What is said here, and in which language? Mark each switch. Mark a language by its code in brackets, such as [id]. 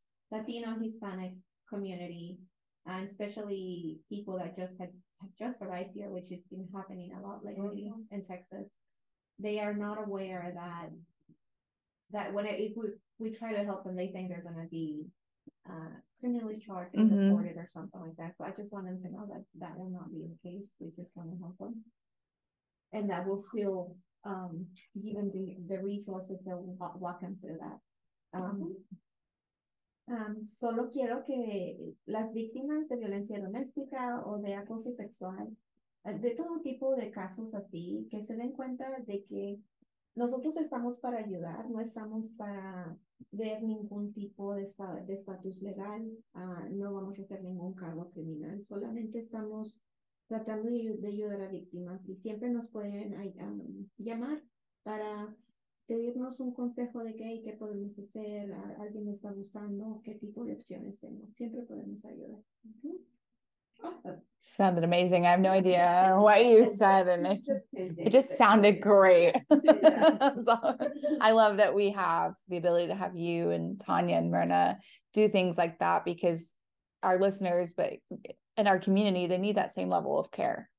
[en] Latino Hispanic community, and especially people that just have just arrived here, which has been happening a lot lately in Texas, they are not aware that if we try to help them, they think they're gonna be criminally charged and deported or something like that. So I just want them to know that will not be the case. We just want to help them, and that we'll feel given the resources that will walk them through that. [es] Solo quiero que las víctimas de violencia doméstica o de acoso sexual, de todo tipo de casos así, que se den cuenta de que nosotros estamos para ayudar, no estamos para ver ningún tipo de estatus legal, no vamos a hacer ningún cargo criminal, solamente estamos tratando de ayudar a víctimas, y siempre nos pueden llamar para pedirnos un consejo de qué podemos hacer, alguien está abusando, qué tipo de opciones tengo. Siempre podemos ayudar. [en] Awesome. Sounded amazing. I have no idea what you said, and it just sounded great. So, I love that we have the ability to have you and Tanya and Myrna do things like that, because our listeners, but in our community, they need that same level of care.